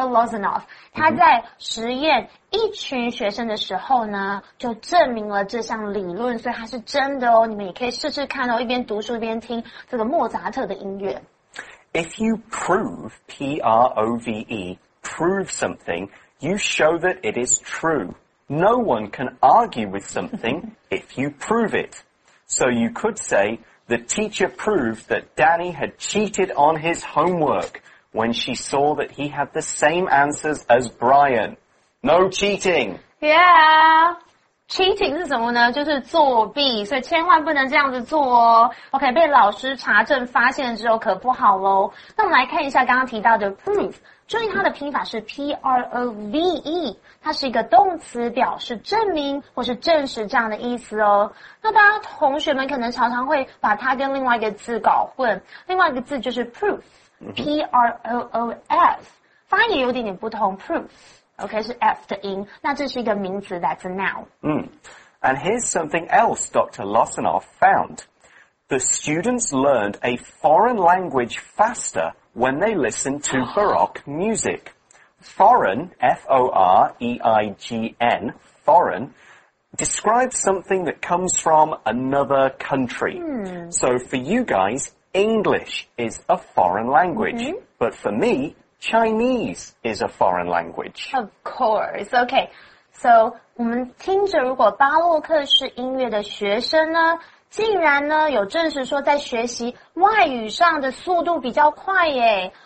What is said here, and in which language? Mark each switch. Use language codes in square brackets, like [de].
[zh] Lozanoff, 他在实验一群学生的时候呢就证明了这项理论，所以他是真的哦，你们也可以试试看哦，一边读书一边听这个莫扎特的音乐。 [en] If you prove, P-R-O-V-E, prove something,You show that it is true. No one can argue with something if you prove it. So you could say, the teacher proved that Danny had cheated on his homework when she saw that he had the same answers as Brian. No cheating! [zh] Yeah! Cheating 是什么呢？就是作弊，所以千万不能这样子做哦。OK, 被老师查证发现之后可不好咯。那我们来看一下刚刚提到的 prove。注意它的拼法是 P-R-O-V-E, 它是一个动词，表示证明或是证实这样的意思哦。那大家同学们可能常常会把它跟另外一个字搞混，另外一个字就是 proof, P-R-O-O-F, 发音有点点不同 ,proof, OK, 是 F 的音，那这是一个名词 , that's a noun. [en] And here's something else Dr. Lozanoff found. The students learned a foreign language faster,When they listen to Baroque music. Foreign, F-O-R-E-I-G-N, foreign, describes something that comes from another country. Hmm. So for you guys, English is a foreign language. Mm-hmm. But for me, Chinese is a foreign language. Of course. Okay. [zh] So, 我们听着如果巴洛克是音乐的学生呢，竟然呢有证实说在学习外语上的速度比较快耶。